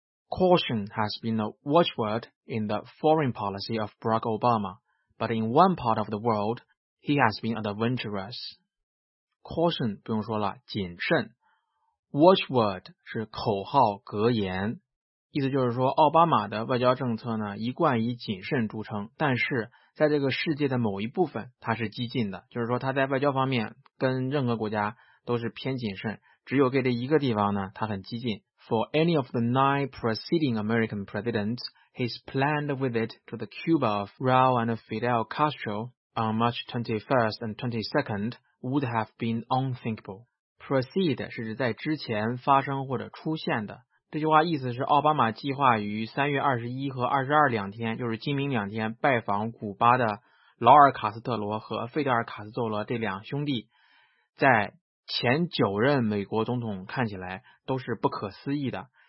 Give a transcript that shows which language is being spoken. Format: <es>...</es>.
<en>Caution has been a watchword in the foreign policy of Barack Obama, but in one part of the world, he has been adventurous.</en> <zh>Caution 不用说了，谨慎。 Watchword 是口号、格言，意思就是说，奥巴马的外交政策呢，一贯以谨慎著称，但是在这个世界的某一部分，他是激进的，就是说他在外交方面跟任何国家都是偏谨慎，只有给这一个地方呢，他很激进。</zh> <en>For any of the 9 preceding American presidents, his planned visit to the Cuba of Raul and Fidel Castro on March 21st and 22nd would have been unthinkable.</en> <zh>Precede 是指在之前发生或者出现的。这句话意思是奥巴马计划于3月21和22两天，就是今明两天拜访古巴的劳尔卡斯特罗和费德尔卡斯特罗这两兄弟，在前九任美国总统看起来都是不可思议的。</zh>